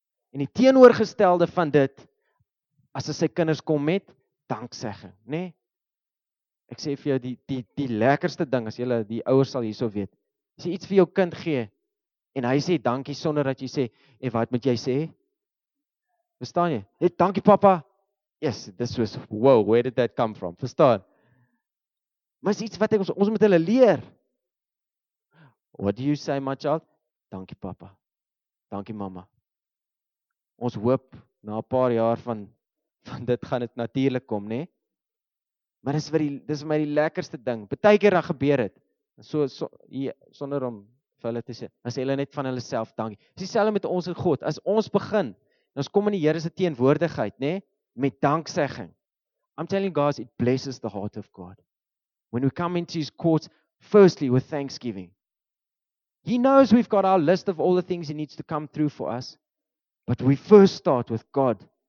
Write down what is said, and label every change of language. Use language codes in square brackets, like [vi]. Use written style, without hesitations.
[af] En die teenoorgestelde van dit, as sy kinders kom met danksegging, né? Ek sê vir jou die lekkerste ding, as julle die ouers sal hierso weet, as jy iets vir jou kind gee en hy sê dankie sonder dat jy sê, "En wat moet jy sê?" Verstaan jy? "Hey, dankie papa." [en] Yes, this was wow, where did that come from? [af] Verstaan? Maar is iets wat ons moet hulle leer. [en] "What do you say, my child?" [af] "Dankie papa." "Dankie mama." Ons hoop na 'n paar jaar van dit gaan dit natuurlik kom, né? Maar dis vir my die lekkerste ding. Partykeer dan gebeur dit. So hier, sonder om vir hulle te sê, as hulle net van hulle self dankie. Dis dieselfde met ons en God. As ons begin, ons kom in die Here se teenwoordigheid, né, met danksegging. [en] I'm telling God, it blesses the heart of God. When we come into his courts firstly with thanksgiving. He knows we've got our list of all the things he needs to come through for us, but we first start with God.